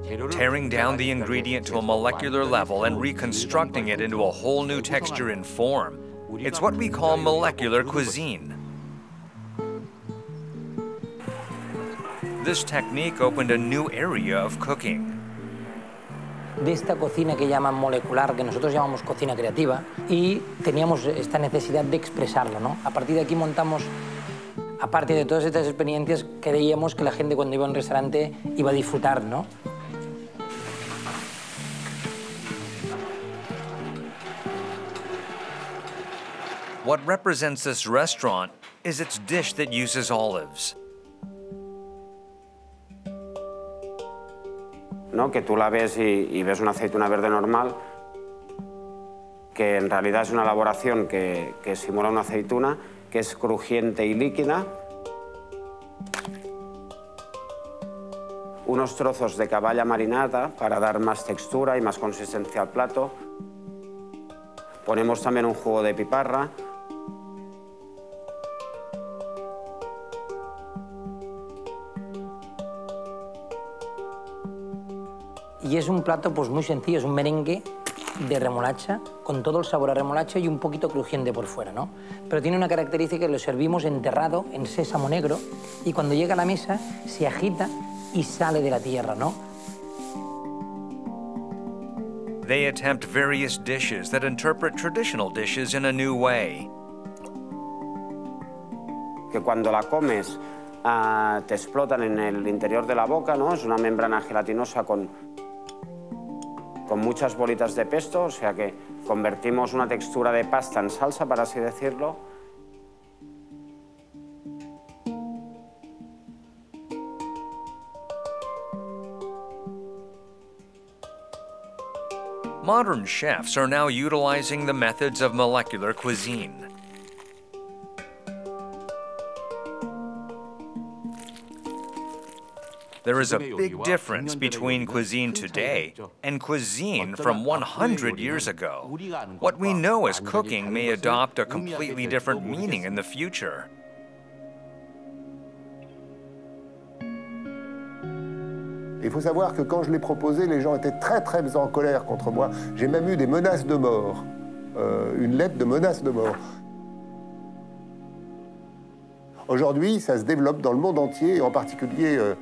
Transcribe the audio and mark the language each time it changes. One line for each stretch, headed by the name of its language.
English: Tearing down the ingredient to a molecular level and reconstructing it into a whole new texture and form. It's what we call molecular cuisine. This technique opened a new area of cooking.
Spanish: De esta cocina que llaman molecular, que nosotros llamamos cocina creativa, y teníamos esta necesidad de expresarlo, ¿no? A partir de aquí montamos, aparte de todas estas experiencias, creíamos que la gente cuando iba a un restaurante iba a disfrutar, ¿no?
English: What represents this restaurant is its dish that uses olives.
Spanish: No, que tú la ves y ves una aceituna verde normal, que en realidad es una elaboración que simula una aceituna, que es crujiente y líquida. Unos trozos de caballa marinada para dar más textura y más consistencia al plato. Ponemos también un jugo de piparra. Y es un plato pues muy sencillo, es un merengue de remolacha con todo el sabor a remolacha y un poquito crujiente por fuera, ¿no? Pero tiene una característica que lo servimos enterrado en sésamo negro y cuando llega a la mesa se agita y sale de la tierra, ¿no?
English: They attempt various dishes that interpret traditional dishes in a new way.
Spanish: Que cuando la comes te explotan en el interior de la boca, ¿no? Es una membrana gelatinosa con muchas bolitas de pesto, o sea que convertimos una textura de pasta en salsa, para así decirlo.
English: Modern chefs are now utilizing the methods of molecular cuisine. There is a big difference between cuisine today and cuisine from 100 years ago. What we know as cooking may adopt a completely different meaning in the future.
French: Il faut savoir que quand je l'ai proposé, les gens étaient très très en colère contre moi. J'ai même eu des menaces de mort, une lettre de menace de mort. Aujourd'hui, ça se développe dans le monde entier, en particulier.